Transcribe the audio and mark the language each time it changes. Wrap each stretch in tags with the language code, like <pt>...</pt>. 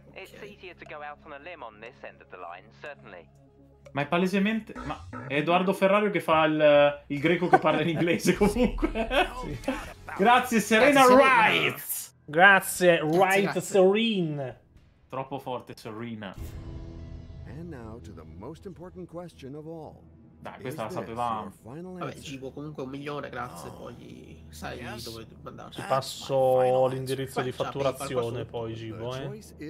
<en>it's easier to go out on a limb on this end of the line, certainly.</en> <it>Ma è palesemente... Ma è Edoardo Ferrario che fa il greco che parla in inglese, comunque. Sì. Grazie, Serena Wright! Grazie, Wright Serene! Troppo forte, Serena.</it> <en>And now to the most important question of all.</en> <it>Dai, questa la sapevamo. Vabbè, cibo comunque un milione, grazie. Oh. Poi sai dove andarci. Ti passo l'indirizzo di fatturazione, poi, cibo, eh.</it>